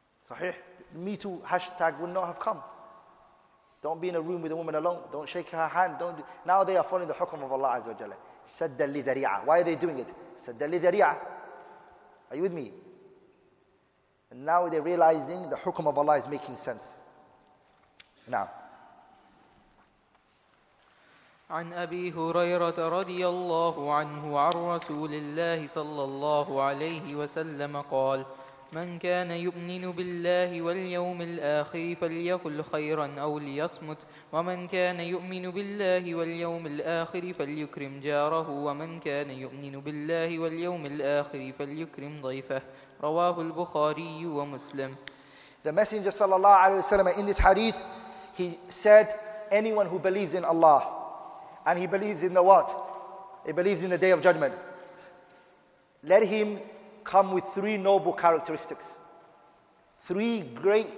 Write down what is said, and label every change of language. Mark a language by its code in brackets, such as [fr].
[en] Sahih? Me Too hashtag would not have come. Don't be in a room with a woman alone. Don't shake her hand. Now they are following the hukum of Allah Azza wa Jalla. Saddan li dhari'ah. Why are they doing it? Saddan li dhari'ah. Are you with me? And now they're realizing the hukum of Allah is making sense. Now. [ar] عن أبي هريرة رضي الله عنه عن رسول الله صلى الله عليه وسلم قال من كان يؤمن بالله واليوم الآخر فليقل خيرا أو ليصمت ومن كان يؤمن بالله واليوم الآخر فليكرم جاره ومن كان يؤمن بالله واليوم الآخر فليكرم ضيفه رواه البخاري ومسلم. [en] The messenger صلى الله عليه وسلم in this hadith, he said, anyone who believes in Allah and he believes in the what? He believes in the day of judgment, let him come with three noble characteristics. Three great.